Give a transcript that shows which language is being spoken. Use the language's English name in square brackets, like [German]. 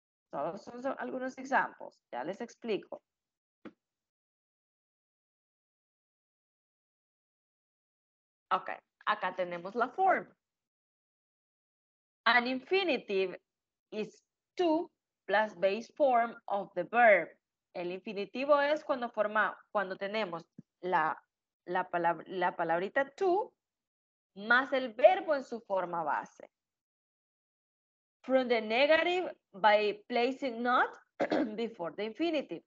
[Spanish] Solo son algunos ejemplos. Ya les explico. Okay. Acá tenemos la forma. [English] An infinitive is to plus base form of the verb. [Spanish] El infinitivo es cuando forma, cuando tenemos la palabrita to más el verbo en su forma base. [English] From the negative by placing not before the infinitive.